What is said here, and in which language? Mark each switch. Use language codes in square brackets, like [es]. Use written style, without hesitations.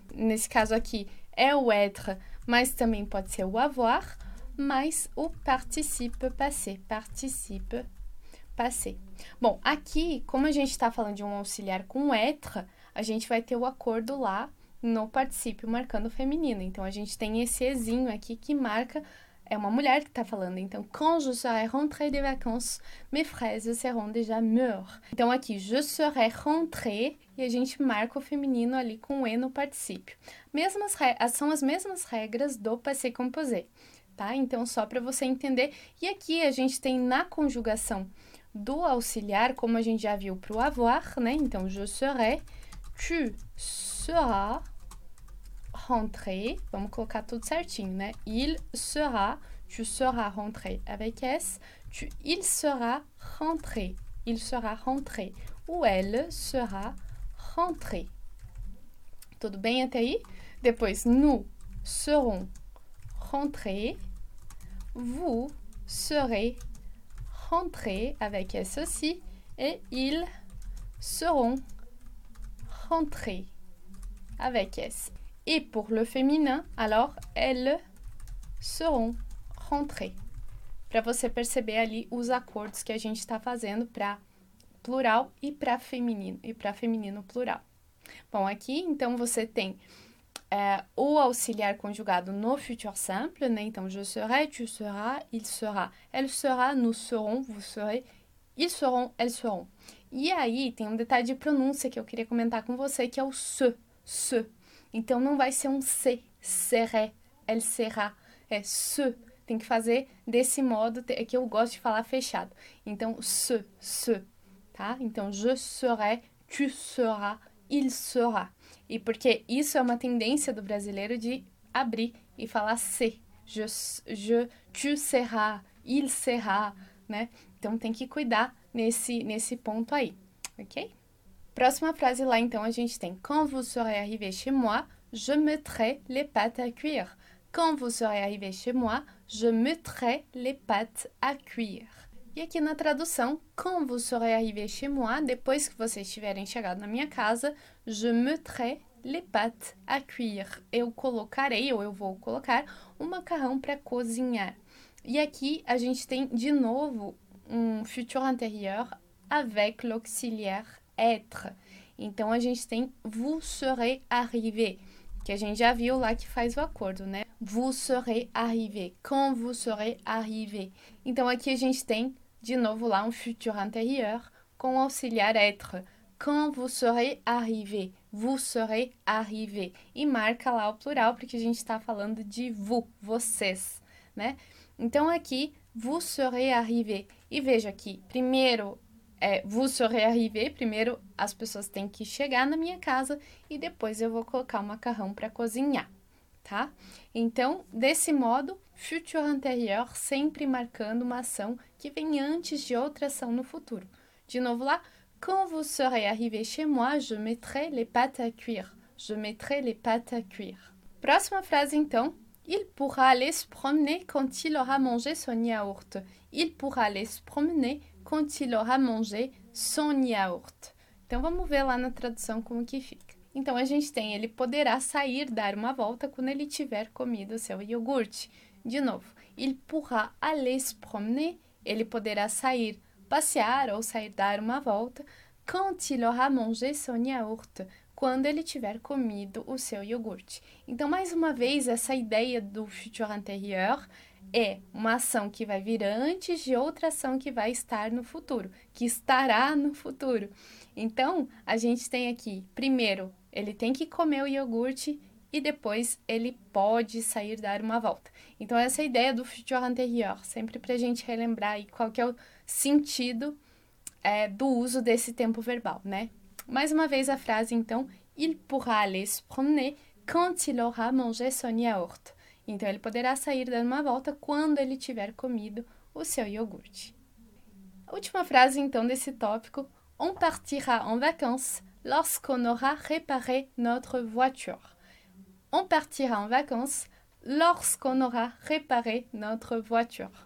[pt] Nesse caso aqui, é o être, mas também pode ser o avoir, mais o participe passé. Participe passé. Bom, aqui, como a gente está falando de um auxiliar com être, a gente vai ter o acordo lá no particípio marcando feminino. Então, a gente tem esse ezinho aqui que marca, é uma mulher que está falando. Então, [fr] quand je serai rentrée de vacances, mes fraises seront déjà mûres. [pt] Então, aqui, [fr] je serai rentrée, [pt] e a gente marca o feminino ali com e no particípio. São as mesmas regras do passé composé, tá? Então, só para você entender. E aqui, a gente tem na conjugação do auxiliar, como a gente já viu para o avoir, né? Então, [fr] je serai, tu seras, [pt] rentrer, vamos colocar tudo certinho, né? [fr] Il sera, tu seras rentré avec S, il sera rentré, il sera rentré, ou elle sera rentrée. [pt] Tudo bem até aí? [fr] Depois, nous serons rentrés, vous serez rentrés avec S aussi, et ils seront rentrés avec S. Et pour le féminin, alors, elles seront rentrées. [pt] Para você perceber ali os acordos que a gente está fazendo para plural e para feminino, e para feminino plural. Bom, aqui, então, você tem o auxiliar conjugado no futur simple, né? Então, [fr] je serai, tu seras, il sera, elle sera, nous serons, vous serez, ils seront, elles seront. [pt] E aí, tem um detalhe de pronúncia que eu queria comentar com você, que é o se. Então, não vai ser um se, [fr] serait, elle sera, [pt] é se. Tem que fazer desse modo, é que eu gosto de falar fechado. Então, se, tá? Então, [fr] je serai, tu seras, il sera. [pt] E porque isso é uma tendência do brasileiro de abrir e falar se. [fr] Tu seras, il sera, [pt] né? Então, tem que cuidar nesse ponto aí, ok? Próxima frase lá, então, a gente tem: [fr] Quand vous serez arrivé chez moi, je mettrai les pâtes à cuire. Quand vous serez arrivé chez moi, je mettrai les pâtes à cuire. [pt] E aqui na tradução: [fr] Quand vous serez arrivé chez moi, [pt] depois que vocês tiverem chegado na minha casa, [fr] je mettrai Le pâtes à cuire. [pt] Eu colocarei, ou eu vou colocar, um macarrão para cozinhar. E aqui a gente tem de novo um futur antérieur [fr] avec l'auxiliaire être. [pt] Então a gente tem [fr] vous serez arrivé, [pt] que a gente já viu lá que faz o acordo, né? [fr] Vous serez arrivé. Quand vous serez arrivé. [pt] Então aqui a gente tem de novo lá um futur antérieur com auxiliaire être. [fr] Quand vous serez arrivé. Vous serez arrivé. [pt] E marca lá o plural, porque a gente está falando de vous, vocês, né? Então aqui, [fr] vous serez arrivé. [pt] E veja aqui, primeiro é vous serez arrivé, primeiro as pessoas têm que chegar na minha casa e depois eu vou colocar o macarrão para cozinhar, tá? Então, desse modo, futur antérieur sempre marcando uma ação que vem antes de outra ação no futuro. De novo lá. [fr] Quand vous serez arrivé chez moi, je mettrai les pâtes à cuire. Je mettrai les pâtes à cuire. [pt] Próxima frase, então. [fr] Il pourra aller se promener quand il aura mangé son yaourt. Il pourra aller se promener quand il aura mangé son yaourt. [pt] Então, vamos ver lá na tradução como que fica. Então, a gente tem, ele poderá sair, dar uma volta, quando ele tiver comido seu iogurte. De novo, [fr] il pourra aller se promener, [pt] ele poderá sair, passear ou sair dar uma volta, [fr] quand il aura mangé son yaourt, [pt] quando ele tiver comido o seu iogurte. Então, mais uma vez, essa ideia do futur antérieur é uma ação que vai vir antes de outra ação que vai estar no futuro, que estará no futuro. Então, a gente tem aqui, primeiro, ele tem que comer o iogurte e depois ele pode sair dar uma volta. Então, essa ideia do futur antérieur, sempre para a gente relembrar aí qual que é o sentido do uso desse tempo verbal, né? Mais uma vez a frase, então, [fr] il pourra aller se promener quand il aura mangé son yaourt. [pt] Então, ele poderá sair dando uma volta quando ele tiver comido o seu iogurte. Última frase, então, desse tópico. [fr] On partira en vacances lorsqu'on aura réparé notre voiture. On partira en vacances lorsqu'on aura réparé notre voiture.